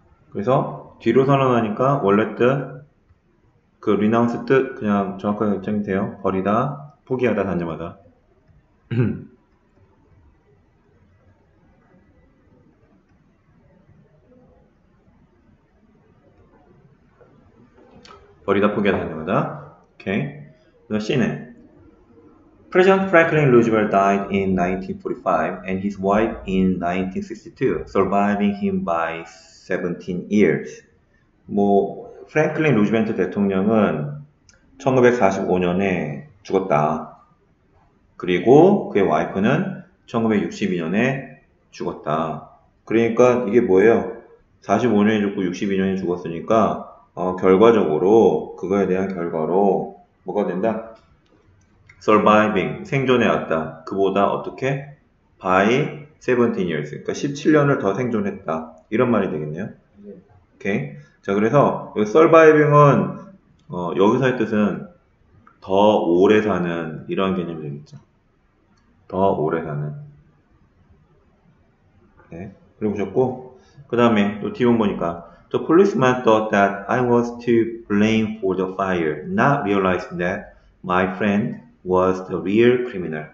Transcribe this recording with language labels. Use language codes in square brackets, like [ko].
[ko] 그래서 뒤로 선언하니까 원래 뜻, 그 리나운스 뜻 그냥 정확하게 결정이 돼요. 버리다, 포기하다, 단념하다. 버리다 포기하다 하는 거다. 오케이. 그 C는 [en] President Franklin Roosevelt died in 1945 and his wife in 1962, surviving him by 17 years. [ko] 뭐 프랭클린 루즈벨트 대통령은 1945년에 죽었다. 그리고 그의 와이프는 1962년에 죽었다. 그러니까 이게 뭐예요? 45년에 죽고 62년에 죽었으니까 결과적으로 그거에 대한 결과로 뭐가 된다? Surviving 생존해왔다. 그보다 어떻게? [en] By 17 years. [ko] 그러니까 17년을 더 생존했다. 이런 말이 되겠네요. 오케이. 자, 그래서 여기 Surviving은 여기서의 뜻은 더 오래 사는 이런 개념이 되겠죠. 더 오래 사는. 네. 그리고 보셨고 그 다음에 또 뒤에 보니까. [en] The policeman thought that I was to blame for the fire, not realizing that my friend was the real criminal.